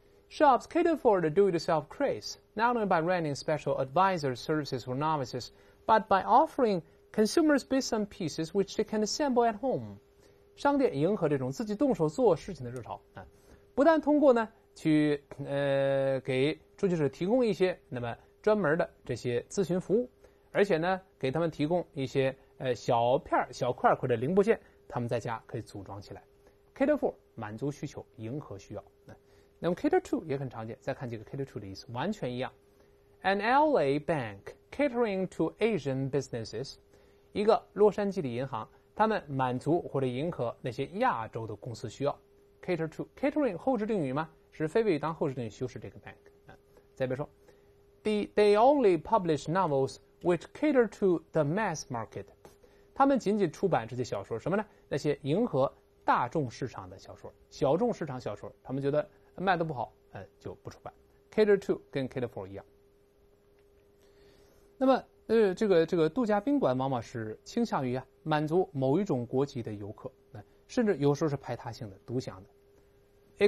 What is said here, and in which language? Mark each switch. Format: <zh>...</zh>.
<en>Shops cater for the do-it-yourself craze, not only by running special advisor services for novices, but by offering consumers bits and pieces which they can assemble at home。</en> <zh>商店迎合这种自己动手做事情的热潮。不但通过呢去给出去者提供一些那么专门的这些咨询服务，而且呢给他们提供一些小片小块或者零部件，他们在家可以组装起来。 Cater for 满足需求，迎合需要。那么 cater to 也很常见，再看几个 cater to 的意思，完全一样。</zh> <en>An LA bank catering to Asian businesses，</en> <zh>一个洛杉矶的银行，他们满足或者迎合那些亚洲的公司需要。 Cater to catering 后置定语吗？是非谓语当后置定语修饰这个 bank。再比如说</zh> <en>，they only publish novels which cater to the mass market。</en> <zh>他们仅仅出版这些小说，什么呢？那些迎合大众市场的小说，小众市场小说，他们觉得卖得不好，就不出版。 Cater to 跟 cater for 一样。那么，这个度假宾馆往往是倾向于啊满足某一种国籍的游客，甚至有时候是排他性的、独享的。</zh>